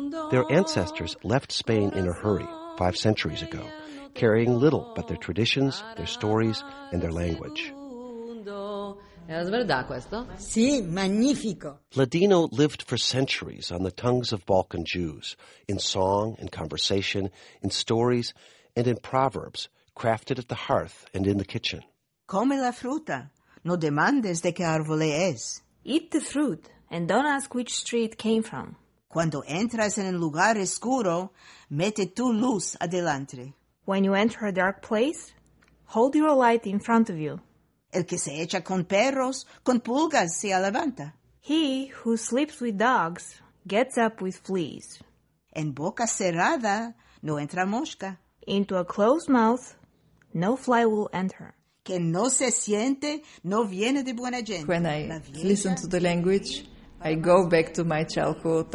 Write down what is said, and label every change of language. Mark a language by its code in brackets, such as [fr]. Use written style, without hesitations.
[en] Their ancestors left Spain in a hurry 5 centuries ago, carrying little but their traditions, their stories, and their language. Ladino lived for centuries on the tongues of Balkan Jews, in song and conversation, in stories, and in proverbs, crafted at the hearth and in the kitchen. [lad] Come la fruta, no demandes de qué árbol es. [en] Eat the fruit, and don't ask which tree it came from. [lad] Cuando entras en un lugar oscuro, mete tu luz adelante. [en] When you enter a dark place, hold your light in front of you. [lad] El que se echa con perros, con pulgas se levanta. [en] He who sleeps with dogs gets up with fleas. [lad] En boca cerrada no entra mosca. [en] Into a closed mouth, no fly will enter. [lad] Que no se siente no viene de buena gente. [en] When I listen to the language, I go back to my childhood.